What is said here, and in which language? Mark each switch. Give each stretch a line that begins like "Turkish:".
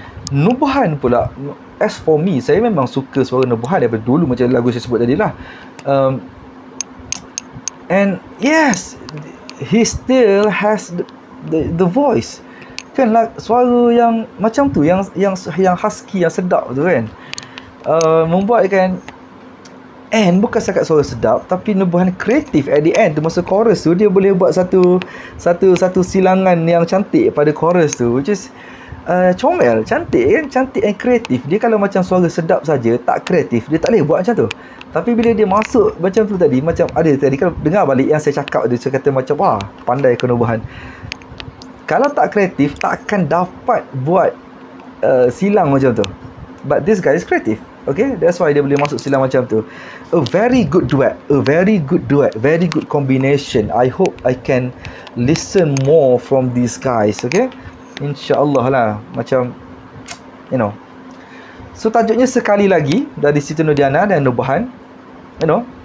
Malay: Nubuhan pula,
English: as for me,
Malay: saya memang suka suara Nubuhan daripada dulu, macam lagu saya sebut tadi lah.
English: And yes, he still has the voice.
Malay: Kan lah, suara yang macam tu, yang husky, yang sedap tu kan. Membuatkan end bukan sangat suara sedap, tapi nubuhan kreatif
English: at the end
Malay: tu, masa chorus tu dia boleh buat satu silangan yang cantik pada chorus tu, which is comel, cantik kan, cantik and kreatif. Dia kalau macam suara sedap saja tak kreatif, dia tak boleh buat macam tu. Tapi bila dia masuk macam tu tadi, macam ada tadi kan, dengar balik yang saya cakap tu, saya kata macam wah pandai kenubuhan. Kalau tak kreatif takkan dapat buat silang macam tu.
English: But this guy is creative. Okay, that's why
Malay: dia boleh masuk silang macam tu.
English: A very good duet, a very good duet, very good combination. I hope I can listen more from these guys.
Malay: Okay, insyaAllah lah. Macam, you know. So tajuknya sekali lagi, dari Siti Nurdiana dan Nubuhan, you know.